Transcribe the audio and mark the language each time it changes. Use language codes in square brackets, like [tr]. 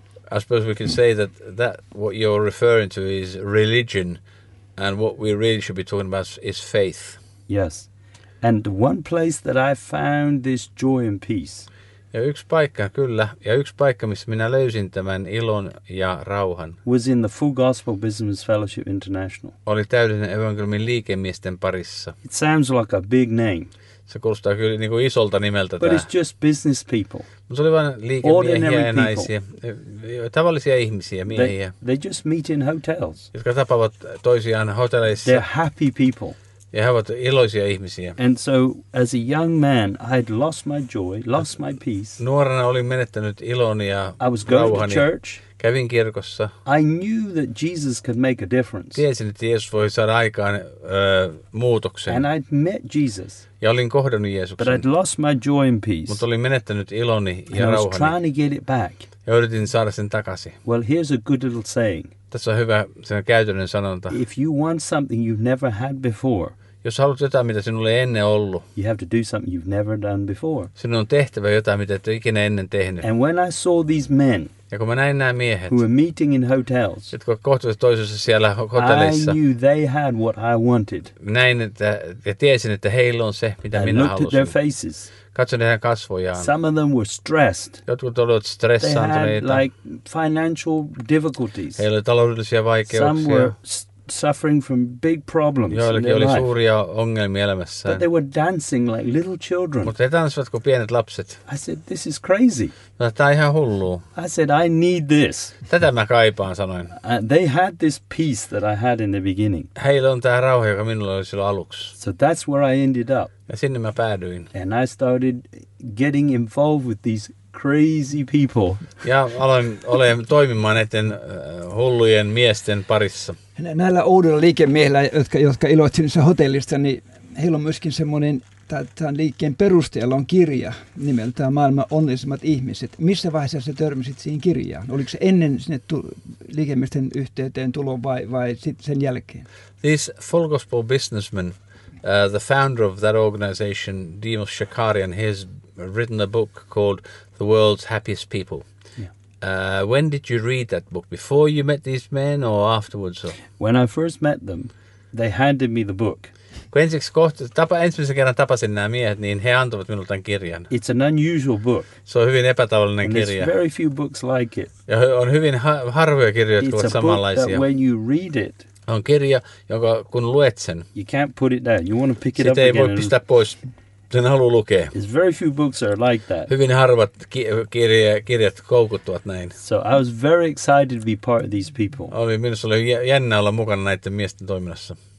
[en] I suppose we can say that what you're referring to is religion, and what we really should be talking about is faith. Yes, and one place that I found this joy and peace. [fi] Ja yksi paikka, kyllä, ja yksi paikka, missä minä löysin tämän ilon ja rauhan. [en] Was in the Full Gospel Business Fellowship International. [fi] Oli Täydellinen evankeliumin liikemiesten parissa. [en] It sounds like a big name. [fi] Se kuulostaa kyllä niin kuin isolta nimeltä. [en] But tämä. It's just business people. [fi] Mutta se oli vain liikemiehiä ja naisia. Tavallisia ihmisiä, miehiä. [en] They just meet in hotels. [fi] Jotka tapaavat toisiaan hotelleissa. [en] They're happy people. [fi] Ja he ovat iloisia ihmisiä. [en] And so as a young man I had lost my joy, lost my peace. [fi] Nuorena olin menettänyt iloni ja rauhani. [en] I was going to church. [fi] Kävin kirkossa. [en] I knew that Jesus could make a difference. [fi] Tiesin, että Jeesus voi saada aikaan muutoksen. [en] And I'd met Jesus. [fi] Ja olin kohdannut Jeesuksen. [en] But I'd lost my joy and peace. [fi] Mutta olin menettänyt iloni ja [en] and [fi] rauhani. [en] I was trying to get it back. [fi] Ja yritin saada sen takaisin. [en] Well, here's a good little saying. [fi] Tässä on hyvä sen käytännön sanonta. [en] If you want something you've never had before. [fi] Jos haluat jotain, mitä sinulle ei ennen ollut, [en] you have to do something you've never done before. [fi] Sinun on tehtävä jotain, mitä et ole ikinä ennen tehnyt. [en] And when I saw these men, [fi] ja kun mä näin nämä miehet, [en] who were meeting in hotels, [fi] jotka kohtuivat toisessa siellä hotelleissa, [en] I knew they had what I wanted. [fi] Näin, että, ja tiesin, että heillä on se, mitä [en] I [fi] minä [en] looked [fi] halusin. [en] At their faces. [fi] Katsoin heidän kasvojaan. [en] Some of them were stressed. [fi] Jotkut olivat stressaantuneita. [en] They had like financial difficulties. [fi] Heillä oli taloudellisia vaikeuksia. [en] Some were suffering from big problems. [fi] Joillakin [en] in [fi] oli [en] life. [fi] Suuria ongelmia elämässään. [en] But they were dancing like little children. [fi] Mutta he tanssivat kuin pienet lapset. [en] I said, this is crazy. [fi] Tämä on ihan hullua. [en] I said, I need this. [fi] Tätä mä kaipaan, sanoin. [en] They had this peace that I had in the beginning. [fi] Heillä on tämä rauha, joka minulla oli silloin aluksi. [en] So that's where I ended up. [fi] Ja sinne mä päädyin. [en] And I started getting involved with these crazy people. [fi] Ja aloin olemaan toimimaan näiden hullujen miesten parissa. Näillä uudella liikemiehillä, jotka iloittivat niissä hotellista, niin heillä on myöskin semmoinen, tämän liikkeen perusteella on kirja nimeltään Maailman onnellisimmat ihmiset. Missä vaiheessa sä törmäsit siihen kirjaan? Oliko se ennen sinne liikemiesten yhteyteen tulo vai sitten sen jälkeen? [en] This Full Gospel Businessman, the founder of that organization, Demos Shakarian, he has written a book called The World's Happiest People. When did you read that book? Before you met these men or afterwards? When I first met them, they handed me the book. [fi] Ensimmäisen kerran tapasin nämä miehet, niin he antoivat minulle tämän kirjan. [en] It's an unusual book. [fi] Se on hyvin epätavallinen [en] and [fi] kirja. [en] There's very few books like it. [fi] Ja on hyvin harvoja kirjoja, jotka ovat samanlaisia. [en] It's a book that when you read it, [fi] on kirja, jonka kun luet sen, [en] you can't put it down. You want to pick it up again. [fi] Sitä ei voi pistää pois. Sen haluaa lukea. [en] Very few books are like that. [fi] Hyvin harvat kirjat koukuttuvat näin. [en] So I was very excited to be part of these people. [fi] Minusta oli jännä olla mukana näiden miesten toiminnassa.